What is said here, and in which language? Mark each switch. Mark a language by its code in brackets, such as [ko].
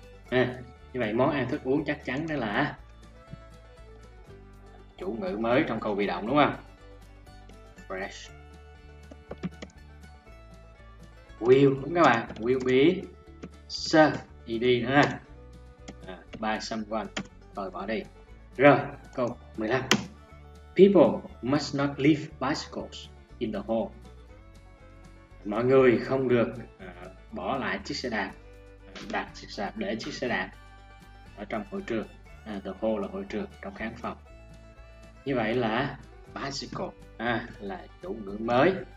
[vi] Như vậy món ăn thức uống chắc chắn đó là chủ ngữ mới trong câu bị động đúng không? Fresh. Will đúng các bạn, [en] will be served, [vi] đi đi nữa ha. [en] By someone, [vi] rồi bỏ đi. Rồi, câu 15. [en] People must not leave bicycles in the hall. [vi] Mọi người không được bỏ lại chiếc xe đạp, đặt chiếc xe đạp, để chiếc xe đạp ở trong hội trường. [en] The hall [vi] là hội trường, trong khán phòng. Như vậy là bicycle là chủ ngữ mới.